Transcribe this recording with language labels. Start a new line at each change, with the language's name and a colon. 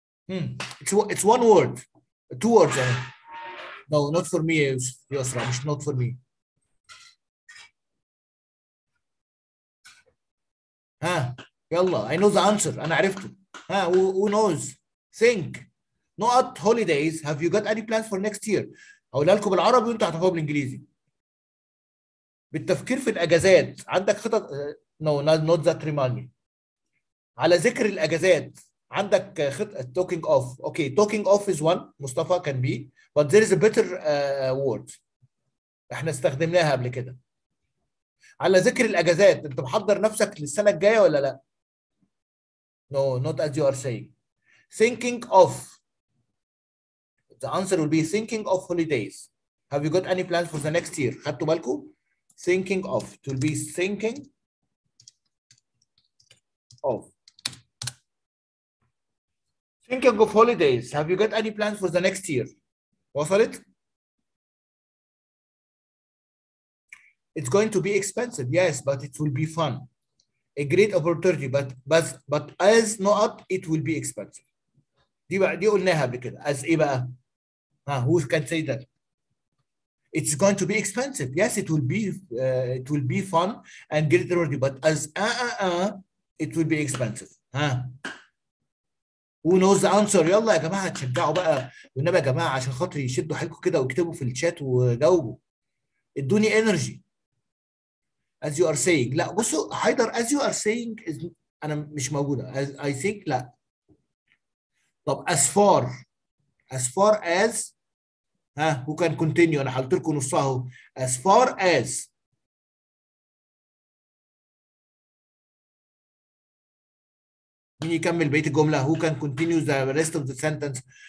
English: It's one word, two words. No, not for me, Yosra, it's not for me. Huh? Yalla, I know the answer.
Arabic: أنا عرفته.
English: Huh? Who knows? Think. Not holidays. Have you got any plans for next year?
Arabic: هقول لكم بالعربي وانتوا هتفهموا بالانجليزي. بالتفكير في الاجازات عندك خطط؟
English: No, not that remind me.
Arabic: على ذكر الاجازات عندك خطط؟
English: Talking of. Okay, talking of is one. مصطفى can be. But there is a better word.
Arabic: احنا استخدمناها قبل كده. على ذكر الاجازات انت محضر نفسك للسنه الجايه ولا لا؟
English: No, not as you are saying. Thinking of. The answer will be thinking of holidays. Have you got any plans for the next year?
Arabic: خدتوا بالكم؟
English: Thinking of. It will be thinking of. Thinking of holidays. Have you got any plans for the next year?
Arabic: وصلت؟
English: It's going to be expensive. Yes, but it will be fun. A great opportunity. But as not, it will be expensive.
Arabic: دي بقى دي قلناها قبل كده.
English: As
Arabic: ايه بقى؟
English: Who can say that? It's going to be expensive. Yes, it will be fun and get it ready. But as it will be expensive. Who knows the answer?
Arabic: يلا يا جماعة تشجعوا بقى والنبي يا جماعة عشان خاطر يشدوا حيلكم كده واكتبوا في الشات وجاوبوا. ادوني energy.
English: As you are saying.
Arabic: لا بصوا حيدر
English: as you are saying is
Arabic: أنا مش موجودة.
English: As I think لا. طب as far. As far as who can continue?
Arabic: أنا حلت لكم نصها.
English: As far as
Arabic: مين يكمل بقية الجملة؟
English: Who can continue the rest of the sentence?